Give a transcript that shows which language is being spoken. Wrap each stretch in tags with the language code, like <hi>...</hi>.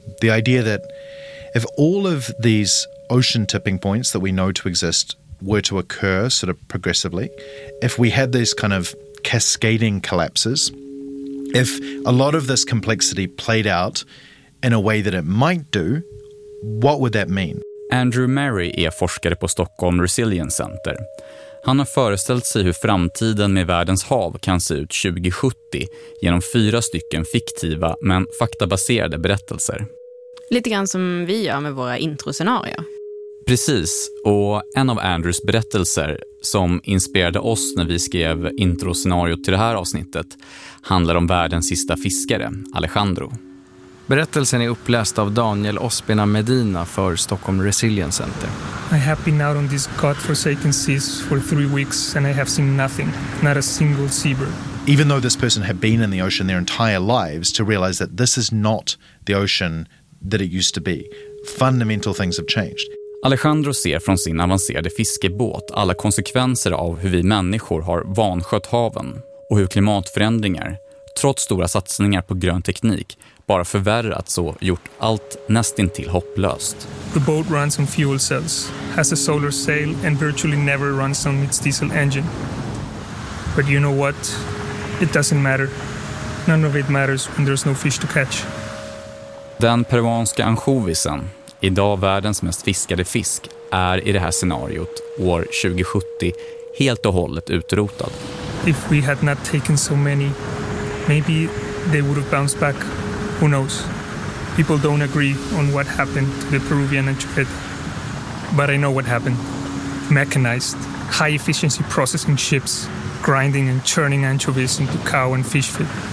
<en>The idea that if all of these ocean tipping points that we know to exist were to occur sort of progressively, if we had these kind of cascading collapses, if a lot of this complexity played out in a way that it might do, what would that mean?</en> <sv>Andrew Murray är forskare på Stockholm Resilience Center. Han har föreställt sig hur framtiden med världens hav kan se ut 2070 genom fyra stycken fiktiva men faktabaserade berättelser. Lite grann som vi gör med våra introscenarier. Precis, och en av Andrews berättelser som inspirerade oss när vi skrev introscenariot till det här avsnittet handlar om världens sista fiskare, Alejandro. Berättelsen är uppläst av Daniel Ospina Medina för Stockholm Resilience Center.</sv> <en>I have been out on these godforsaken seas for 3 weeks and I have seen nothing, not a single seabird. Even though this person had been in the ocean their entire lives, to realize that this is not the ocean that it used to be. Fundamental things have changed.</en> <sv>Alejandro ser från sin avancerade fiskebåt alla konsekvenser av hur vi människor har vanskött haven och hur klimatförändringar, trots stora satsningar på grön teknik, bara förvärrat så gjort allt nästintill hopplöst.</sv> <en>The boat runs on fuel cells, has a solar sail and virtually never runs on its diesel engine. But you know what? It doesn't matter. None of it matters when there's no fish to catch.</en> <sv>Den peruanska anchovisen, idag världens mest fiskade fisk, är i det här scenariot år 2070 helt och hållet utrotad.</sv> <en>If we had not taken so many, maybe they would have bounced back. Who knows? People don't agree on what happened to the Peruvian anchovy. But I know what happened. Mechanized, high efficiency processing ships, grinding and churning anchovies into cow and fish feed.</en>